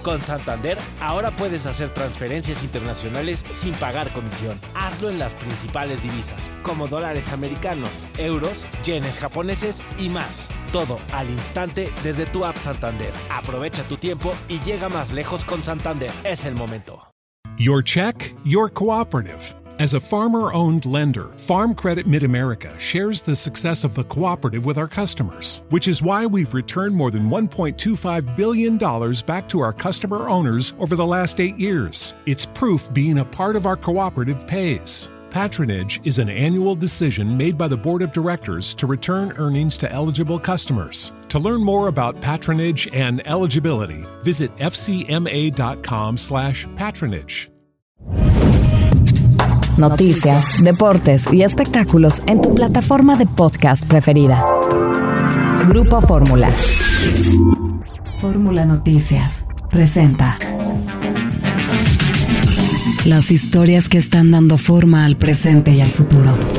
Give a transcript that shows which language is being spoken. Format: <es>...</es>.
<es>Con Santander, ahora puedes hacer transferencias internacionales sin pagar comisión. Hazlo en las principales divisas, como dólares americanos, euros, yenes japoneses y más. Todo al instante desde tu app Santander. Aprovecha tu tiempo y llega más lejos con Santander. Es el momento.</es> <en>Your check, your cooperative. As a farmer-owned lender, Farm Credit Mid-America shares the success of the cooperative with our customers, which is why we've returned more than $1.25 billion back to our customer owners over the last 8 years. It's proof being a part of our cooperative pays. Patronage is an annual decision made by the board of directors to return earnings to eligible customers. To learn more about patronage and eligibility, visit fcma.com/patronage.</en> <es>Noticias, deportes y espectáculos en tu plataforma de podcast preferida. Grupo Fórmula. Fórmula Noticias presenta. Las historias que están dando forma al presente y al futuro.</es>